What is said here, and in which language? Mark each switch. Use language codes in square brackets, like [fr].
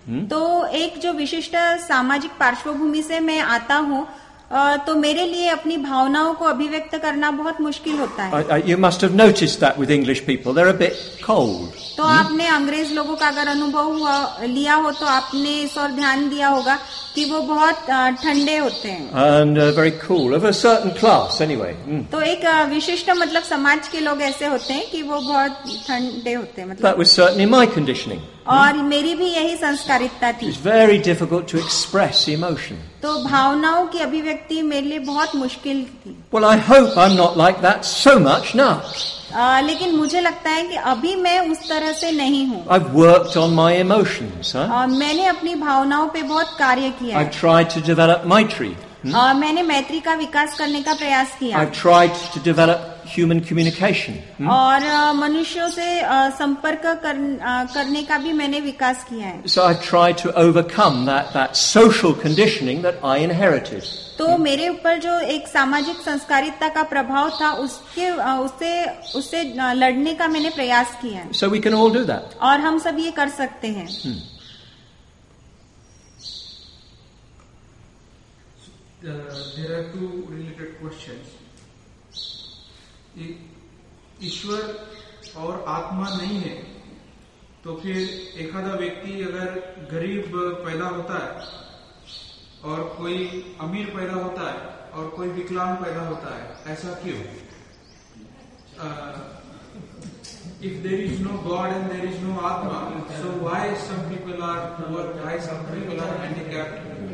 [hi] तो एक जो विशिष्ट सामाजिक पार्श्वभूमि से मैं आता हूँ तो मेरे लिए अपनी भावनाओं को अभिव्यक्त करना बहुत मुश्किल होता है। [en] You must have noticed that with English people, they're a bit cold. [hi] तो आपने अंग्रेज लोगों का अगर अनुभव लिया हो तो आपने इस ओर ध्यान दिया होगा कि वो बहुत ठंडे होते हैं। [en] And very cool, of a certain class anyway. [hi] तो एक विशिष्ट मतलब समाज के लोग ऐसे होते हैं कि वो बहुत ठंडे होते हैं मतलब। [en] That was certainly my conditioning. [hi] और मेरी भी यही संस्कारिता थी। [en] It's very difficult to express emotion. [hi] तो भावनाओं की अभिव्यक्ति मेरे लिए बहुत मुश्किल थी। [en] Well, I hope I'm not like that so much now. [hi] लेकिन मुझे लगता है कि अभी मैं उस तरह से नहीं हूँ। [en] I've worked on my emotions, huh? [hi] मैंने अपनी भावनाओं पे बहुत कार्य किया। [en] I've tried to develop maitri. [hi] मैंने मैत्री का विकास करने का प्रयास किया। [en] I've tried to develop human communication. [hi] और मनुष्यों से संपर्क करने का भी मैंने विकास किया है. [en] So I tried to overcome that social conditioning that I inherited. [hi] तो मेरे ऊपर जो एक सामाजिक संस्कारितता का प्रभाव था उसके उससे लड़ने का मैंने प्रयास किया. [en] So we can all do that. [hi] और हम सब ये कर सकते हैं. [en] There are two related questions. [hi] ईश्वर और आत्मा नहीं है तो फिर एखादा व्यक्ति अगर गरीब पैदा होता है और कोई अमीर पैदा होता है और कोई विकलांग पैदा होता है ऐसा क्यों? [en] If there is no God and there is no Atma, so why some people are poor, why some people are handicapped?